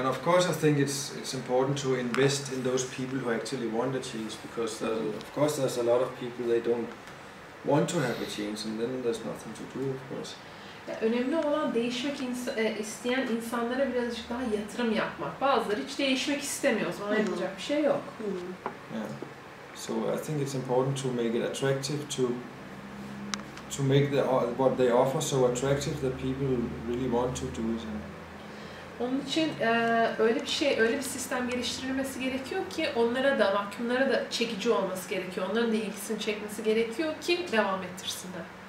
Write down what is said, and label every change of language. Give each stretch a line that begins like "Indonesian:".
English: And of course I think it's important to invest in those people who actually want the change, because of course there's a lot of people they don't want to have a change and then there's nothing to do of course.
Turkish: Ya önemli olan değişmek isteyen insanlara birazcık daha yatırım yapmak. Bazıları hiç değişmek istemiyor. O zaman yapacak bir şey yok.
English: Yeah. So I think it's important to make it attractive to make the what they offer so attractive that people really want to do it.
Turkish: Onun için öyle bir sistem geliştirilmesi gerekiyor ki onlara da mahkumlara da çekici olması gerekiyor. Onların da ilgisini çekmesi gerekiyor ki devam ettirsinler.